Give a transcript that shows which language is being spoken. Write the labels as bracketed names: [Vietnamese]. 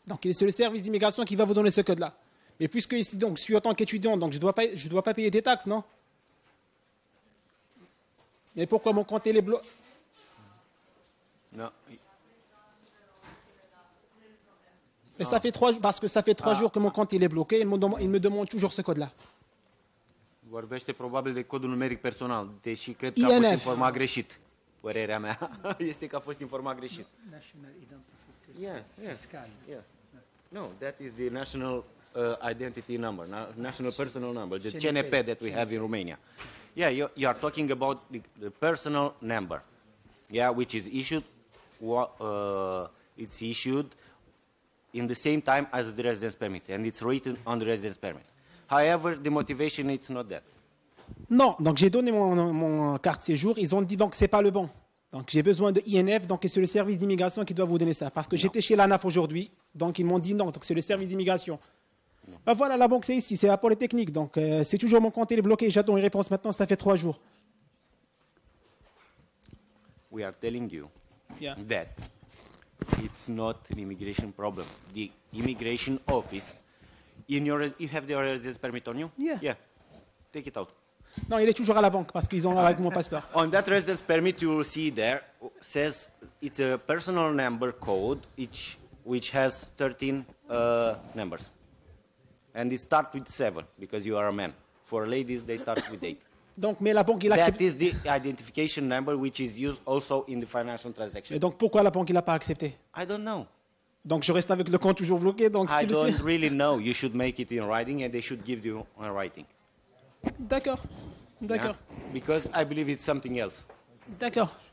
[French] Donc c'est le service d'immigration qui va vous donner ce code-là. Mais puisque ici donc je suis en tant qu'étudiant, donc je dois pas payer des taxes, non? Mais pourquoi mon compte est bloqué? Non. Mais ça fait trois parce que ça fait trois jours que mon compte il est bloqué. Il me demande toujours ce code-là. [Romanian] Vorbește probabil de codul numeric personal, deși cred că INF. A fost informat greșit. Părerea mea este că a fost informat greșit. [English] National identification. Yeah, fiscal. Yeah. No, that is the national identity number, national personal number, the CNP that we have in Romania. Yeah, you are talking about the personal number. Yeah, which is issued it's issued in the same time as the residence permit and it's written on the residence permit. However, the motivation it's not that. [French] Non, donc j'ai donné mon carte séjour, ils ont dit donc c'est pas le bon. Donc j'ai besoin de INF, donc c'est le service d'immigration qui doit vous donner ça. Parce que non. J'étais chez l'ANAF aujourd'hui, donc ils m'ont dit non, donc c'est le service d'immigration. Ben voilà, la banque c'est ici, c'est la Polytechnique, donc c'est toujours mon compte, il est bloqué, j'attends une réponse maintenant, ça fait 3 jours. [English] We are telling you that it's not an immigration problem. The immigration office, you have the residence permit on you? Yeah. Take it out. [French] Non, il est toujours à la banque parce qu'ils ont avec mon passeport. [English] On that residence permit you will see there says it's a personal number code which has 13 numbers. And it starts with 7 because you are a man. For ladies they start with 8. [French] Donc mais la banque il accepte. [English] That is the identification number which is used also in the financial transaction. [French] Et donc pourquoi la banque il a pas accepté? [English] I don't know. [French] Donc je reste avec le compte toujours bloqué donc [English] I don't really know. You should make it in writing and they should give you in writing. [French] D'accord, d'accord. Yeah, [English] because I believe it's something else. [French] D'accord.